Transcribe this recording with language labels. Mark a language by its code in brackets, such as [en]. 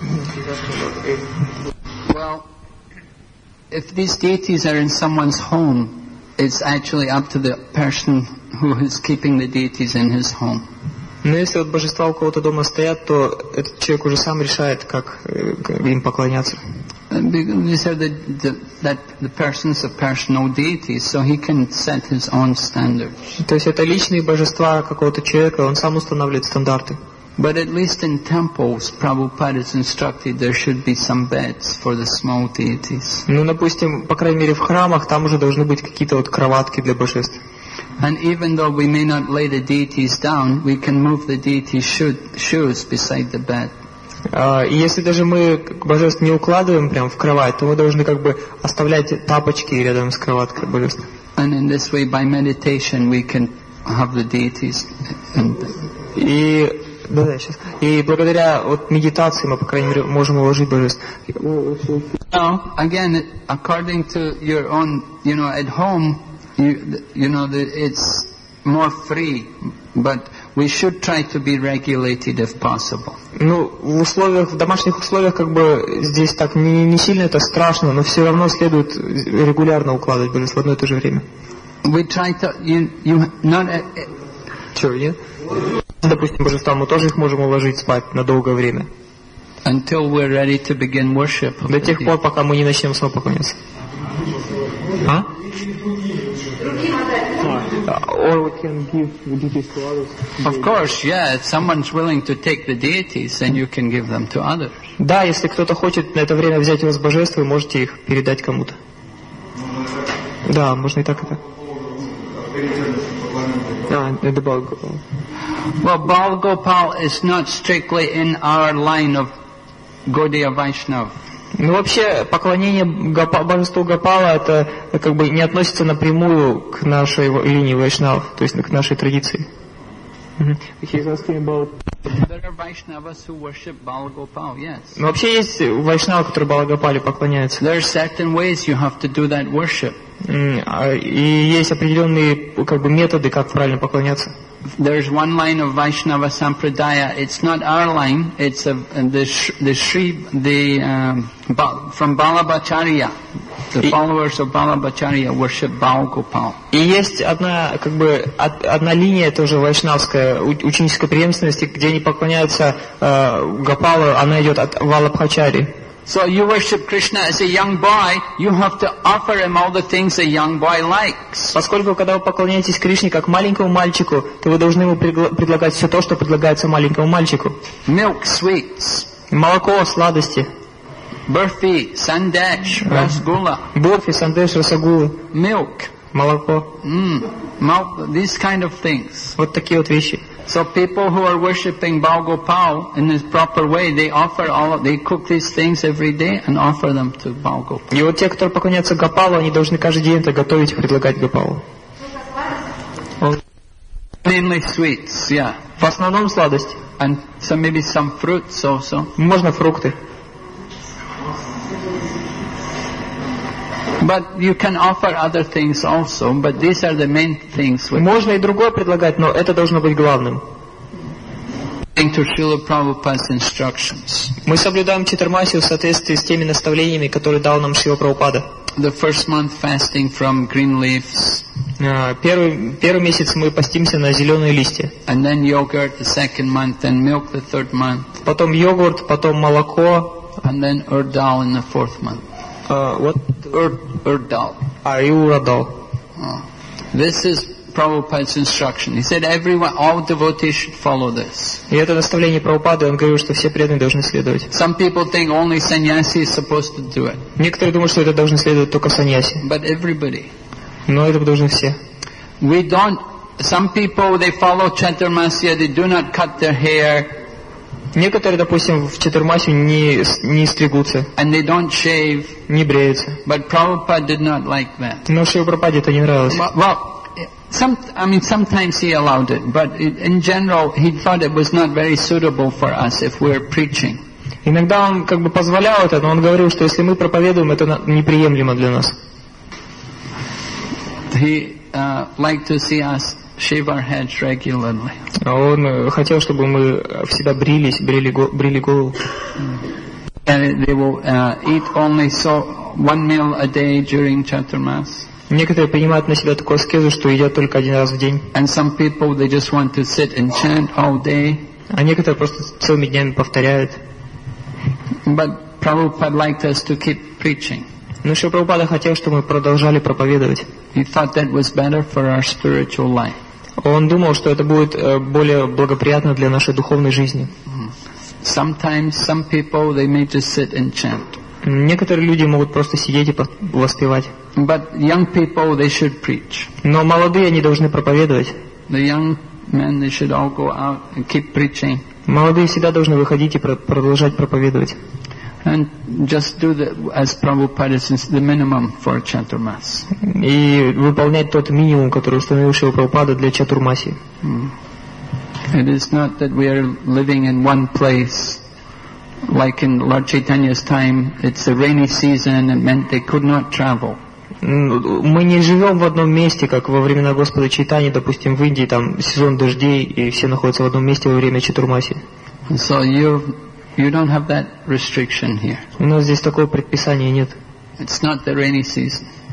[en] Well, if these deities are in someone's home, it's actually up to the person who is keeping the deities in his home. [ru] Но если вот божества у кого-то дома стоят, то этот человек уже сам решает, как им поклоняться. [en] These are the persons of personal deities, so he can set his own standards. [ru] То есть это личные божества какого-то человека, он сам устанавливает стандарты. [en] But at least in temples, Prabhupada has instructed there should be some beds for the small deities. [ru] Ну, допустим, по крайней мере в храмах там уже должны быть какие-то вот кроватки для божеств. [en] And even though we may not lay the deities down, we can move the deity's shoes beside the bed. [ru] И если даже мы божеств не укладываем прямо в кровать, то мы должны как бы оставлять тапочки рядом с кроваткой божеств. [en] And in this way, by meditation, we can have the deities. [ru] И благодаря вот медитации мы, по крайней мере, можем уложить божеств. [en] Now, again, according to your own, you know, at home, you know, it's more free, but we should try to be regulated if possible. [ru] Ну, в условиях, в домашних условиях, как бы, здесь так не сильно это страшно, но все равно следует регулярно укладывать божеств в одно и то же время. [en] We try to, [ru] Допустим, божества, мы тоже их можем уложить спать на долгое время. [en] Until we're ready to begin worship. [ru] До тех пор, пока мы не начнем снова поклоняться. А? [en] Or we can give deities to others. Of course, yeah. If someone's willing to take the deities, then you can give them to others. [ru] Да, если кто-то хочет на это время взять у вас божества, вы можете их передать кому-то. Да, можно и так это. [en] Well, Bal Gopal is not strictly in our line of Gaudiya Vaishnava. [ru] Ну вообще поклонение божеству Гопала это как бы не относится напрямую к нашей линии вайшнав, то есть к нашей традиции. [en] He's asking about. There are Vaishnavas who worship Bal Gopal, yes. [ru] Ну вообще есть вайшнавы, которые Бал Гопале поклоняются. [en] There are certain ways you have to do that worship. [ru] И есть определенные как бы методы, как правильно поклоняться. [en] There's one line of Vaishnava Sampradaya. It's not our line. It's from Balabhacharya. The followers of Balabhacharya worship Bal Gopal. [ru] И есть одна как бы одна линия тоже вайшнавская ученической преемственности, где они поклоняются Гопалу. Она идет от Балабхачари. [en] So you worship Krishna as a young boy, you have to offer him all the things a young boy likes. [ru] Поскольку когда вы поклоняетесь Кришне как маленькому мальчику, то вы должны ему предлагать все то, что предлагается маленькому мальчику. [en] Milk, sweets. [ru] Молоко, сладости. [en] Burfi, sandesh, rasgulla. [ru] Burfi, sandesh, rasgulla. [en] Milk. [ru] Молоко. [en] These kind of things. [ru] Вот такие вот вещи. [en] So people who are worshipping Bal Gopal in this proper way, they cook these things every day and offer them to Bal Gopal. [ru] И вот те, которые поклоняются Гопалу, они должны каждый день это готовить и предлагать Гопалу. [en] Mainly sweets, yeah. [ru] В основном сладости. [en] And so maybe some fruits also. [ru] Можно фрукты. [en] But you can offer other things also, but these are the main things. [ru] Можно и другое предлагать, но это должно быть главным. [en] According to Srila Prabhupada's instructions. [ru] Мы соблюдаем читармасию в соответствии с теми наставлениями, которые дал нам Шрила Прабхупада. [en] The first month fasting from green leaves. [ru] Первый месяц мы постимся на зеленые листья. [en] And then yogurt the second month, then milk the third month. [ru] Потом йогурт, потом молоко. [en] And then urdal in the fourth month. What urdal? Are you urdal? This is Prabhupada's instruction. He said everyone, all devotees should follow this. [ru] И это наставление Прабхупады, он говорил, что все преданные должны следовать. [en] Some people think only sannyasi is supposed to do it. [ru] Некоторые думают, что это должны следовать только саньяси. [en] But everybody. [ru] Но это должны все. [en] We don't. Some people they follow Chaturmasya, they do not cut their hair. [ru] Некоторые, допустим, в Чатурмасе не стригутся. [en] And they don't shave. [ru] Не бреются. [en] But Prabhupada did not like that. [ru] Но Шри Прабхупаде это не нравилось. [en] Well, sometimes he allowed it, but in general he thought it was not very suitable for us if we're preaching. [ru] Иногда он как бы позволял это, но он говорил, что если мы проповедуем, это неприемлемо для нас. [en] He liked to see us shave our heads regularly. [ru] Он хотел, чтобы мы всегда брились, брили голову. [en] And they will eat only so one meal a day during Chaturmas. [ru] Некоторые принимают на себя такую аскезу, что едят только один раз в день. [en] And some people they just want to sit and chant all day. [ru] А некоторые просто целыми днями повторяют. [en] But Prabhupada liked us to keep preaching. [ru] Но Шри Прабхупада хотел, чтобы мы продолжали проповедовать. [en] He thought that was better for our spiritual life. [ru] Он думал, что это будет более благоприятно для нашей духовной жизни. [en] Sometimes some people they may just sit and chant. [ru] Некоторые люди могут просто сидеть и воспевать. [en] But young people they should preach. [ru] Но молодые они должны проповедовать. [en] The young men they should all go out and keep preaching. [ru] Молодые всегда должны выходить и продолжать проповедовать. [en] And just do the, as Prabhupada says, the minimum for Chaturmas. [ru] И выполнять тот минимум, который установил Шрила Прабхупада для Чатурмаси. [en] It is not that we are living in one place. Like in Lord Chaitanya's time, it's a rainy season, it meant they could not travel. [ru] Мы не живем в одном месте, как во времена Господа Чайтани, допустим, в Индии, там сезон дождей, и все находятся в одном месте во время Чатурмаси. [en] So you don't have that restriction here. [ru] У нас здесь такого предписания нет. [en] It's not the rainy season.